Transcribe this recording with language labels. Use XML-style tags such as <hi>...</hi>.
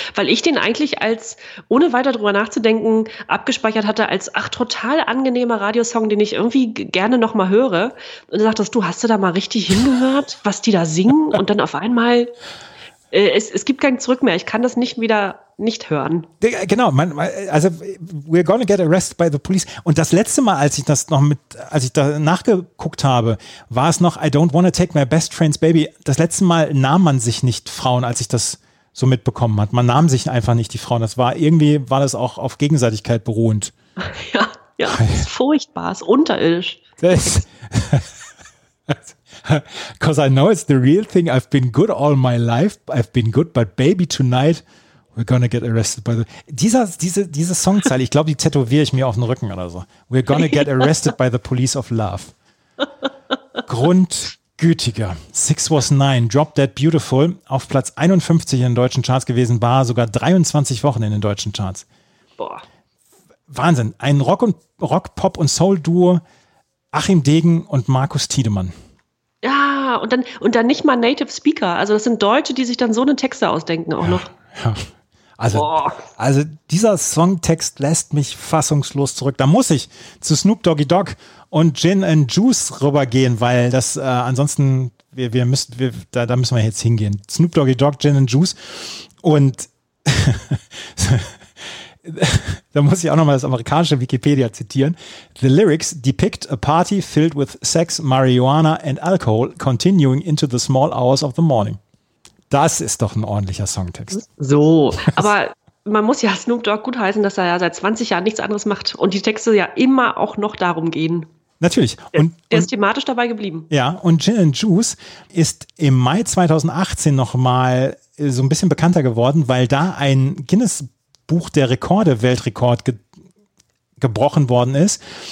<de>Weil ich den eigentlich als, ohne weiter drüber nachzudenken, abgespeichert hatte als, ach, total angenehmer Radiosong, den ich irgendwie gerne nochmal höre. Und du sagtest, du, hast du da mal richtig hingehört, was die da singen? Und dann auf einmal, es gibt kein Zurück mehr, ich kann das nicht wieder nicht hören. Genau, also</de> <en>we're gonna get arrested by the police.</en> <de>Und das letzte Mal, als ich da nachgeguckt habe, war es noch</de> <en>I don't wanna take my best friend's baby.</en> <de>Das letzte Mal nahm man sich nicht Frauen, als ich das so mitbekommen hat. Man nahm sich einfach nicht die Frauen. War das auch auf Gegenseitigkeit beruhend. Ja, ja, das ist furchtbar, ist unterirdisch.</de> <en>Because I know it's the real thing. I've been good all my life. I've been good, but baby tonight... We're gonna get arrested by the...</en> <de>Diese Songzeile, ich glaube, die tätowiere ich mir auf den Rücken oder so.</de> <en>We're gonna get arrested by the police of love.</en> <de>Grundgütiger. Six was nine, Drop Dead Beautiful, auf Platz 51 in den deutschen Charts gewesen, war sogar 23 Wochen in den deutschen Charts. Boah. Wahnsinn. Ein Rock- und Rock-, Pop- und Soul-Duo, Achim Degen und Markus Tiedemann. Ja, und dann nicht mal Native Speaker. Also das sind Deutsche, die sich dann so eine Texte ausdenken auch noch. Ja. Also dieser Songtext lässt mich fassungslos zurück. Da muss ich zu Snoop Doggy Dogg und Gin and Juice rübergehen, weil das ansonsten, da müssen wir jetzt hingehen. Snoop Doggy Dogg, Gin and Juice. Und da muss ich auch nochmal das amerikanische Wikipedia zitieren.</de> <en>The lyrics depict a party filled with sex, marijuana and alcohol continuing into the small hours of the morning.</en> <de>Das ist doch ein ordentlicher Songtext. So, aber man muss ja Snoop Dogg gutheißen, dass er ja seit 20 Jahren nichts anderes macht und die Texte ja immer auch noch darum gehen. Natürlich. Er ist thematisch dabei geblieben. Ja, und Gin and Juice ist im Mai 2018 nochmal so ein bisschen bekannter geworden, weil da ein Guinness-Buch der Rekorde-Weltrekord gebrochen worden ist.</de>